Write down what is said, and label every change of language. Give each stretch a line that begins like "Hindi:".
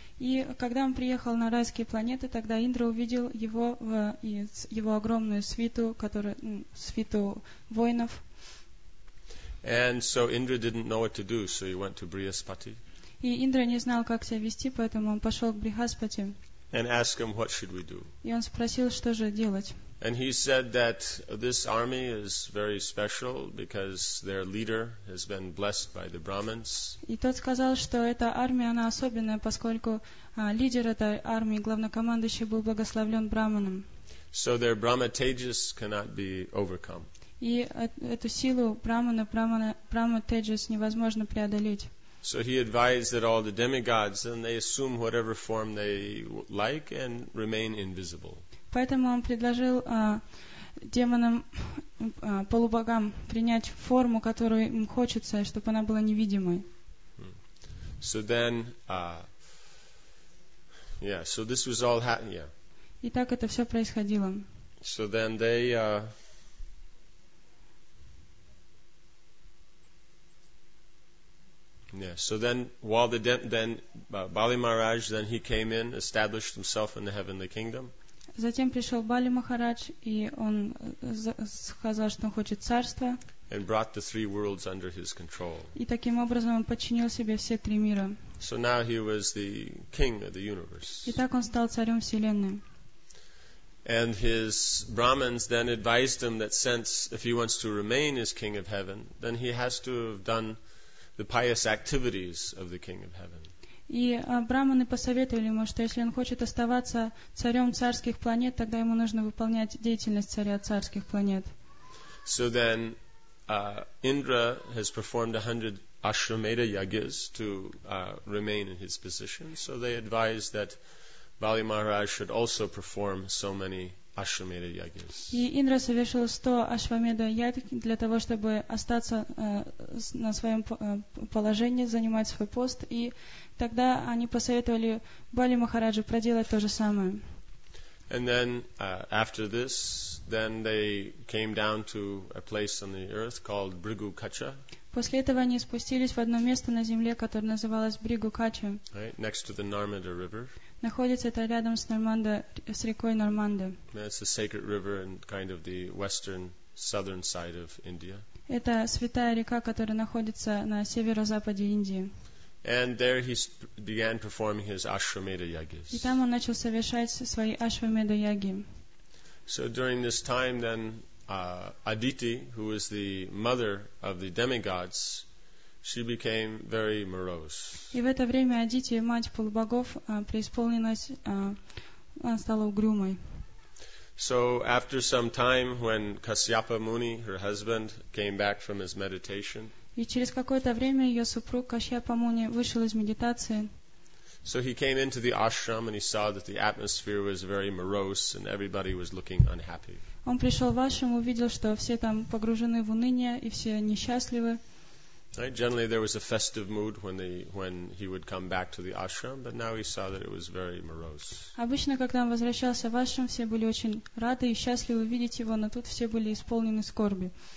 Russian: И когда он приехал на райские планеты, тогда Индра увидел его и его огромную свиту, свиту воинов.
English: And so Indra didn't know what to do, so he went to Brihaspati.
Russian: И Индра не знал, как себя вести, поэтому он пошел к Брихаспати.
English: And ask him, what should we do?
Russian: И он спросил, что же делать.
English: And he said that this army is very special because their leader has been blessed by the Brahmins.
Russian: И тот сказал, что эта армия, она особенная, поскольку лидер этой армии, главнокомандующий, был благословлен Брахманом.
English: So their Brahma Tejas cannot be overcome.
Russian: И эту силу Брахмана, Брахма Тейджас, невозможно преодолеть.
English: So he advised that all the demigods, then they assume whatever form they like and remain invisible.
Russian: Поэтому он предложил демонам, полубогам, принять форму, которую им хочется, чтобы она была невидимой.
English: So then, so this was all happening. Yeah.
Russian: И так это все происходило.
English: So then they. Yeah. So then, while Bali Maharaj, then he came in, established himself in the heavenly kingdom.
Russian: Затем пришел Бали Махарадж, и он сказал, что он хочет царства.
English: And brought the three worlds under his control.
Russian: И таким образом он подчинил себе все три мира.
English: So now he was the king of the universe.
Russian: И так он стал царем вселенной.
English: And his Brahmins then advised him that since if he wants to remain as king of heaven, then he has to have done the pious activities of the King of Heaven.
Russian: И Брахманы посоветовали ему, что если он хочет оставаться царем царских планет, тогда ему нужно выполнять деятельность царя царских планет.
English: So then, Indra has performed 100 Ashwamedha yagyas to remain in his position. So they advised that Bali Maharaj should also perform so many Ashwamedha yagyas.
Russian: И Индра совершил 100 Ашвамедха ягг для того, чтобы остаться на своем положении, занимать свой пост. И тогда они посоветовали Бали Махараджу проделать то же самое.
English: And then after this, then they came down to a place on the earth called Bhrigu Kacha.
Russian: После этого они спустились в одно место на земле, которое называлось Бригу Кача.
English: Right, next to the Narmada River.
Russian: Находится это рядом с Норманда, с рекой Норманда.
English: It's a sacred river and kind of the western, southern side of India.
Russian: Это святая река, которая находится на северо-западе Индии.
English: And there he began performing his Ashwamedha yagyas.
Russian: И там он начал совершать свои Ашвамедха яги.
English: So during this time, then Aditi, who is the mother of the demigods, she became very morose.
Russian: И в это время Адити, мать полубогов, преисполнилась, она стала угрюмой.
English: So after some time, when Kasyapa Muni, her husband, came back from his meditation.
Russian: И через какое-то время ее супруг Кашьяпа Муни вышел из медитации.
English: So he came into the ashram and he saw that the atmosphere was very morose and everybody was looking unhappy.
Russian: Он пришел в ашрам, увидел, что все там погружены в уныние и все несчастливы.
English: Right? Generally there was a festive mood when he would come back to the ashram, but now he saw that it was very morose.
Russian: Обычно, когда он возвращался в ашрам, все были очень рады и счастливы видеть его, но тут все были исполнены скорби.